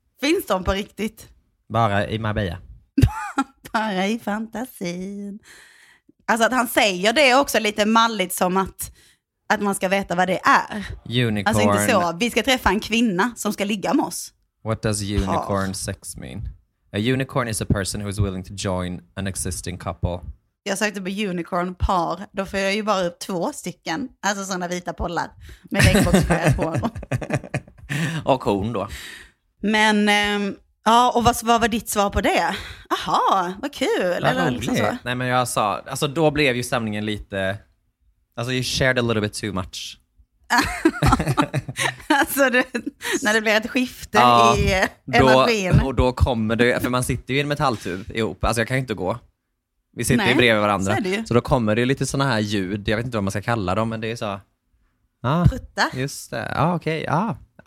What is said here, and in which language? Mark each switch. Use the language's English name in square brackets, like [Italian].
[Swedish] Finns de på riktigt? Bara i Marbella. Bara i fantasin. Alltså att han säger det är också lite malligt, som att man ska veta vad det är. Unicorn. Alltså inte så, vi ska träffa en kvinna som ska ligga med oss. [English] What does unicorn path. Sex mean? A unicorn is a person who is willing to join an existing couple. [Swedish] Jag sökte på unicorn par. Då får jag ju bara upp två stycken. Alltså sådana vita pollar. Med Xbox på. Och hon då. Men, ja, och vad var ditt svar på det? Aha, vad kul. Vad roligt. Liksom nej, men jag sa, alltså då blev ju stämningen lite... [English] Alltså, you shared a little bit too much. [Swedish] Alltså, du, när det blir ett skifte i energin. Och då kommer det, för man sitter ju i en metalltub ihop. Alltså, jag kan ju inte gå. Vi sitter ju bredvid varandra. Så då kommer det lite såna här ljud. Jag vet inte vad man ska kalla dem, men det är så... Prutta. Just det. Ja, okej. Ja.